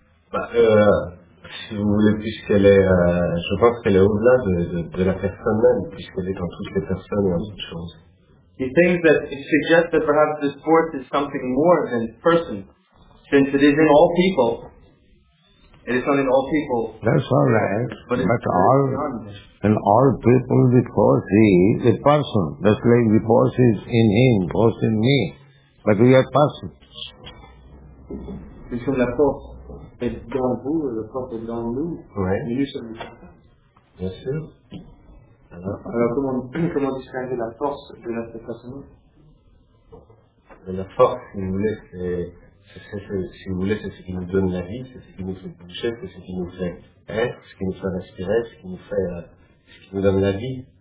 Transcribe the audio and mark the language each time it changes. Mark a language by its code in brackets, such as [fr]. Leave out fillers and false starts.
[fr] Si vous voulez, puisqu'elle est, je pense qu'elle est au-delà de la personne même, puisqu'elle est dans toutes les personnes et en toutes choses. [en] He thinks that it suggests that perhaps this force is something more than person, since it is in all people. It is not in all people. That's all right. But all, in all people, the force is a person. Just like the force is in him, force in me. But we are persons. [fr] Nous sommes la force. Est dans vous, la force est dans nous. Oui. Nous sommes la force. Bien sûr. Alors comment distinguer la force de la personne? La force, si vous voulez, c'est ce qui nous donne la vie, c'est ce qui nous fait bouger, c'est ce qui nous fait être, ce qui nous fait respirer, ce qui nous fait, ce qui nous donne la vie.